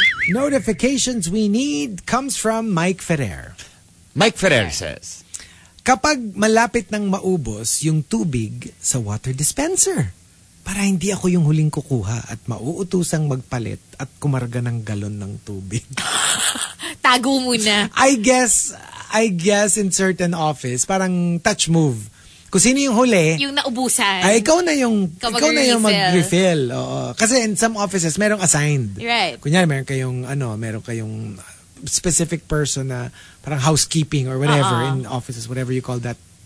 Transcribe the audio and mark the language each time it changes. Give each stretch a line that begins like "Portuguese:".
English: Notifications we need comes from Mike Ferrer. Mike Ferrer says,
Filipino: kapag malapit nang maubos yung tubig sa water dispenser, para hindi ako yung huling kukuha at mauutusang magpalit at kumarga ng galon ng tubig. Tago muna.
English: I guess in certain office,
Filipino: parang
English: touch move.
Filipino: Kung sino yung huli, yung naubusan. Ay, ikaw na yung mag-refill. Oo.
English: Kasi in some offices, merong assigned. Right.
Filipino: Kunyari, meron kayong
English: specific person
Filipino: na parang
English: housekeeping or whatever in offices, whatever you call that.